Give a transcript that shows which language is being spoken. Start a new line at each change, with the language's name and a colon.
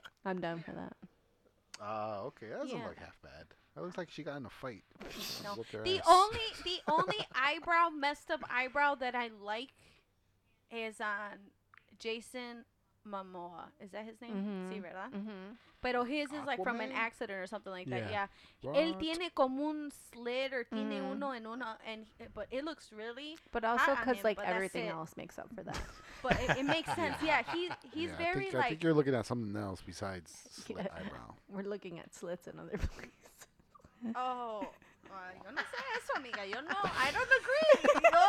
English: I'm down for that. Okay. That doesn't look half bad. That looks like she got in a fight. The only eyebrow, messed up eyebrow that I like is on Jason Momoa. Is that his name? Mm-hmm.
Spanish: Sí, ¿verdad? Mm-hmm.
English: Pero his is like from an accident or something like that. Yeah.
Spanish: Él tiene como un slit or tiene uno en una.
English: But it looks really. But also because like everything else makes up for that. But it makes sense. Yeah. He's very like. I think you're looking at something else besides slit eyebrow. We're looking at slits in other places. Oh. I don't agree.